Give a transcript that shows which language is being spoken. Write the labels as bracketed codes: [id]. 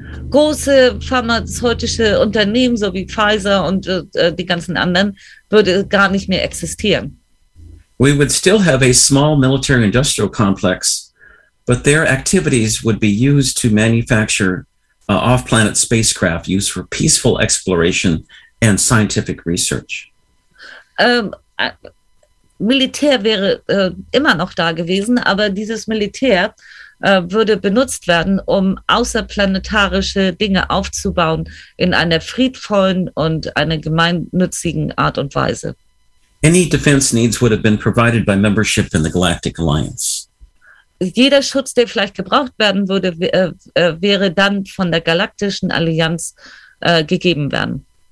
[de] große pharmazeutische Unternehmen, so wie Pfizer und die ganzen anderen, würde gar nicht mehr existieren. [en] We would still have a small military-industrial complex, but their activities would be used to manufacture off-planet spacecraft used for peaceful exploration and scientific research. [de] Militär wäre immer noch da gewesen, aber dieses Militär würde benutzt werden, um außerplanetarische Dinge aufzubauen in einer friedvollen und einer gemeinnützigen Art und Weise. [en] Any defense needs would have been provided by membership in the Galactic Alliance. [de] Jeder Schutz, der vielleicht gebraucht werden würde, wäre dann von der Galaktischen Allianz gegeben werden.